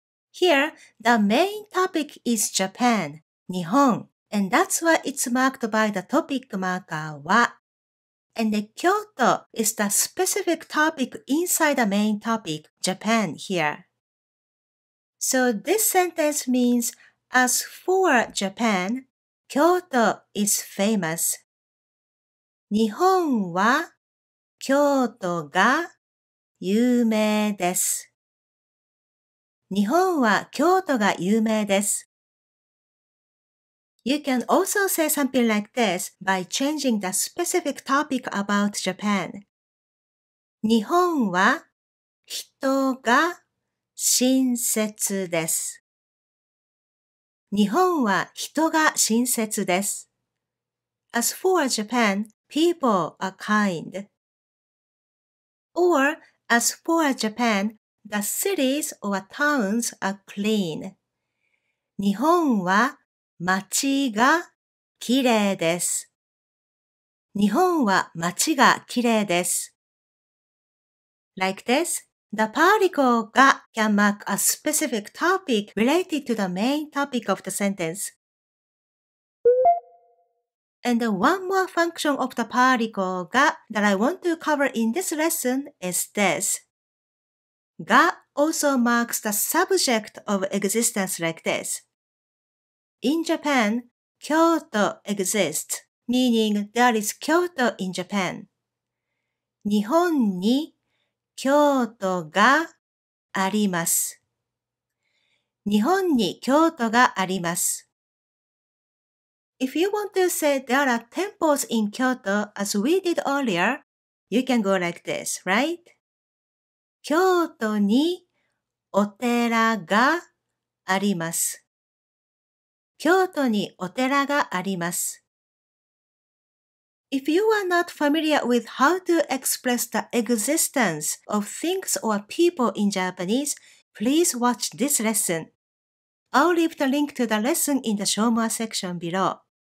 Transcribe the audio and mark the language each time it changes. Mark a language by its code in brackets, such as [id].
[en] Here, the main topic is Japan, 日本, and that's why it's marked by the topic marker は. And the Kyoto is the specific topic inside the main topic, Japan, here. So this sentence means, as for Japan, Kyoto is famous. [ja] 日本は京都が有名です。日本は京都が有名です。 [en] You can also say something like this by changing the specific topic about Japan. [ja] 日本は人が親切です。日本は人が親切です。 [en] As for Japan, people are kind. Or, as for Japan,The cities or towns are clean. [ja] 日本は街がきれいです。日本は街がきれいです。 [en] Like this, the particle が can mark a specific topic related to the main topic of the sentence. And one more function of the particle が that I want to cover in this lesson is this. が also marks the subject of existence like this. In Japan, Kyoto exists, meaning there is Kyoto in Japan. [ja] 日本に京都があります。日本に京都があります。 [en] If you want to say there are temples in Kyoto as we did earlier, you can go like this, right? [ja] 京都にお寺があります。京都にお寺があります。 [en] If you are not familiar with how to express the existence of things or people in Japanese, please watch this lesson. I'll leave the link to the lesson in the show more section below.